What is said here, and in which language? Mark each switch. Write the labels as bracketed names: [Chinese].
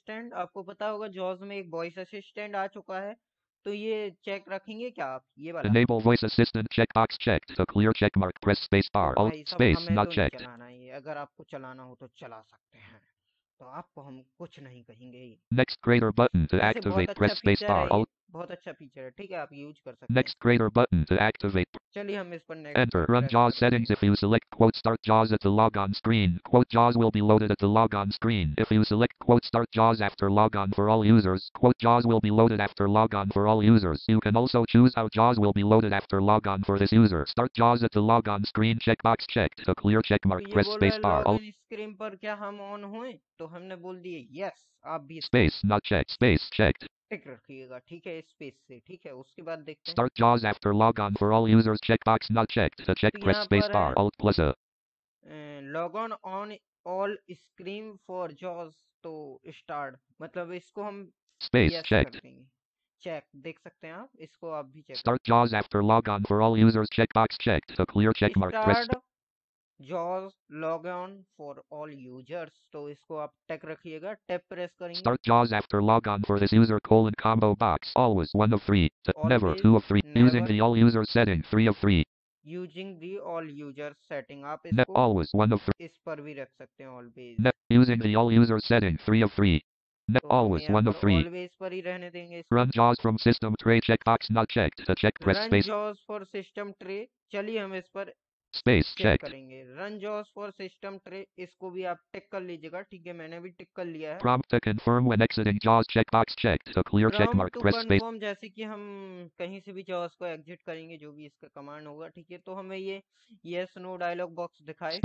[Hindi] आपको पता होगा जॉज में एक वॉइस असिस्टेंट आ चुका है, तो ये चेक रखेंगे क्या आप, ये वाला [English] enable voice assistant checkbox checked, to clear checkmark, press space bar, alt space, not checked, [Hindi] अगर आपको चलाना हो तो चला सकते हैं, तो आपको हम कुछ नहीं कहेंगे। [English] Next greater button to activate, press space bar, alt, [Hindi] बहुत अच्छा फीचर है, ठीक है, आप यूज कर सकते हैं। [English] Next greater button to activate, [Hindi] चलिए हम इस पर [English] enter, run JAWS settings, if you select quote start JAWS at the logon screen, quote JAWS will be loaded at the logon screen, if you select quote start JAWS after logon for all users, quote JAWS will be loaded after logon for all users, you can also choose how JAWS will be loaded after logon for this user, start JAWS at the logon screen, checkbox checked, a clear checkmark, press space bar, [Hindi] तो ये बोल रहा है logon screen पर क्या हम on हुए, तो हमने बोल दिए yes, आप भी [English] space not checked, space checked, [Hindi] टिक रखिएगा, ठीक है, स्पेस से, ठीक है। उसके बाद देखते हैं, [English] start JAWS after logon for all users, checkbox not checked, to check, press space bar, alt plus a, logon on all screen for JAWS to start, [Hindi] मतलब इसको हम [English] space checked, [Hindi] check, देख सकते हैं आप, इसको आप भी check, [English] start JAWS after logon for all users, checkbox checked, to clear checkmark, press JAWS logon for all users, [Hindi] तो इसको आप टैग रखिएगा, टैप प्रेस करेंगे, [English] start JAWS after logon for this user, colon, combo box, always, 1 of 3, to always, never, 2 of 3, never, using the all users setting, 3 of 3, using the all users setting, [Hindi] आप इसको [English] always, 1 of 3, [Hindi] इस पर भी रख सकते हैं, always, [English] using the all users setting, 3 of 3, always, 1 of 3, [Hindi] always पर ही रहने देंगे, [English] run JAWS from system tray, checkbox not checked, to check, press run space, run JAWS for system tray, [Hindi] चलिए हम इस पर [English] space check [Hindi] करेंगे, [English] run JAWS for system tray, [Hindi] इसको भी आप टिक कर लीजिएगा, ठीक है, मैंने भी टिक कर लिया है, [English] prompt to confirm when exiting JAWS, checkbox checked, to clear checkmark, press space, prompt to confirm, [Hindi] जैसे कि हम कहीं से भी JAWS को exit करेंगे, जो भी इसका command होगा, ठीक है, तो हमें ये yes no dialog box दिखाए,